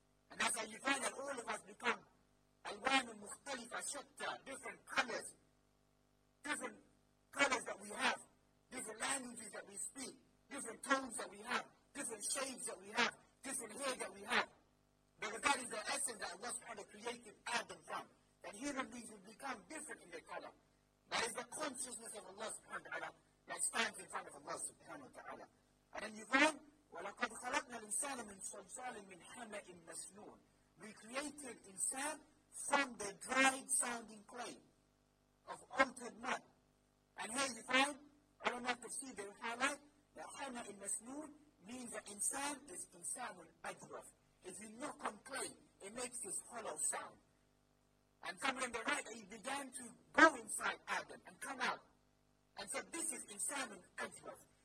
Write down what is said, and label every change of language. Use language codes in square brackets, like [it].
[en] And that's how you find that all of us become alwan and mukhtalifa shatta, different colors that we have, different languages that we speak, different tones that we have, different shades that we have, different hair that we have. Because that is the essence that Allah subhanahu wa ta'ala created Adam from. That human beings will become different in their color. That is the consciousness of Allah subhanahu wa ta'ala that stands in front of Allah subhanahu wa ta'ala. And then you find, [ar] وَلَقَدْ خَلَقْنَا الْإِنسَانَ مِنْ صَلْصَالٍ مِنْ حَمَئٍ مَسْنُونٍ. [en] We created insan from the dried sounding clay of altered mud. And here you find, I don't know if you see the highlight, that [ar] حَمَئٍ مَسْنُونٍ [en] means that insan is insanul ajraf. If you knock on clay, it makes this hollow sound. And someone on the right, he began to go inside Adam and come out and said, this is insanul ajraf.